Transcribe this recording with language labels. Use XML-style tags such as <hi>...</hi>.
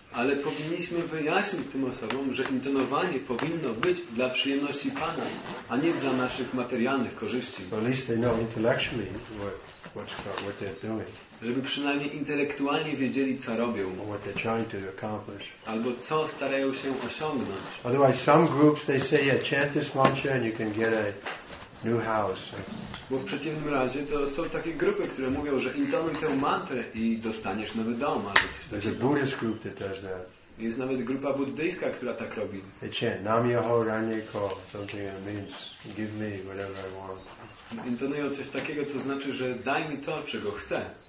<pl>Ale powinniśmy wyjaśnić tym osobom, że intonowanie powinno być dla przyjemności Pana, a nie dla naszych materialnych korzyści.</pl> <en>At least they know intellectually what they're doing.</en> <pl>Żeby przynajmniej intelektualnie wiedzieli, co robią.</pl> <en>What they're trying to accomplish.</en> <pl>Albo co starają się osiągnąć.</pl> <en>Otherwise some groups they say, yeah, chant this mantra and you can get a new house.</en> <pl>Bo w przeciwnym razie to są takie grupy, które mówią, że intonuj tę mantrę i dostaniesz nowy dom, albo coś takiego.</pl> <en>There's a Buddhist group that does that.</en> <pl>Jest nawet grupa buddyjska, która tak robi.</pl> <en>They chant Nam-myoho Renge-kyo, something that means give me whatever I want.</en> <pl>Intonują coś takiego, co znaczy, że daj mi to, czego chcę.</pl>